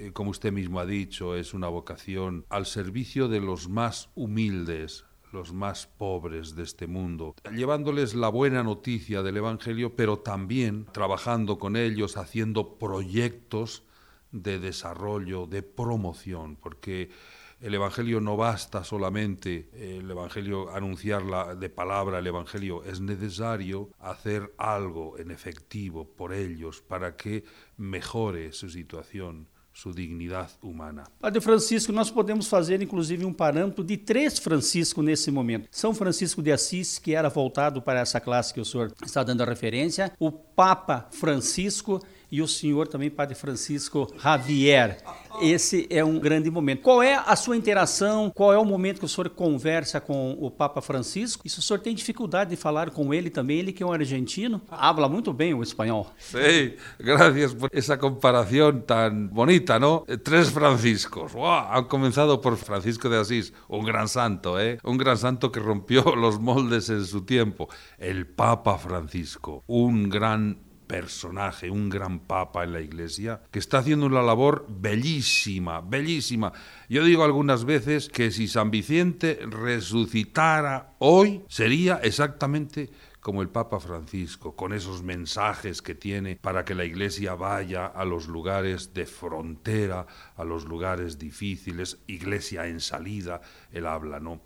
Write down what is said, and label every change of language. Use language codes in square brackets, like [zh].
[es] Como usted mismo ha dicho, es una vocación al servicio de los más humildes, los más pobres de este mundo, llevándoles la buena noticia del Evangelio, pero también trabajando con ellos, haciendo proyectos de desarrollo, de promoción, porque el Evangelio no basta solamente el Evangelio, anunciarla de palabra, el Evangelio es necesario hacer algo en efectivo por ellos para que mejore su situación, [pt] sua dignidade humana. Padre Francisco, nós podemos fazer, inclusive, um parâmetro de 3 Francisco nesse momento. São Francisco de Assis, que era voltado para essa classe que o senhor está dando a referência, o Papa Francisco e o senhor também, Padre Francisco Javier. Esse é um grande momento. Qual é a sua interação? Qual é o momento que o senhor conversa com o Papa Francisco? E se o senhor tem dificuldade de falar com ele também, ele que é um argentino, [es] habla [pt] muito bem o espanhol. Sim, [es] gracias [pt] por essa comparação [es] tan bonita, [pt] não? 3 Franciscos. [es] Han [pt] começado por Francisco de Assis, um grande santo, Um grande santo que [es] rompió [pt] os moldes em seu tempo. O [es] Papa Francisco, [pt] um grande [es] personaje, un gran papa en la iglesia, que está haciendo una labor bellísima, bellísima. Yo digo algunas veces que si San Vicente resucitara hoy, sería exactamente como el Papa Francisco, con esos mensajes que tiene para que la iglesia vaya a los lugares de frontera, a los lugares difíciles, iglesia en salida, él habla, ¿no?